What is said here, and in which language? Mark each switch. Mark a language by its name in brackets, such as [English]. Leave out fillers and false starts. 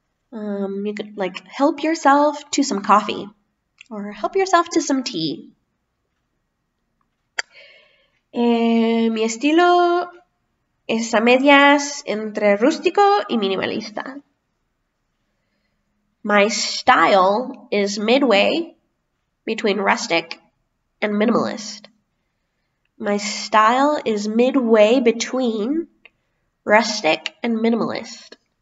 [English] You could like help yourself to some coffee or help yourself to some tea. [Spanish] Mi estilo es a medias entre rústico y minimalista. [English] My style is midway between rustic and minimalist. My style is midway between rustic and minimalist.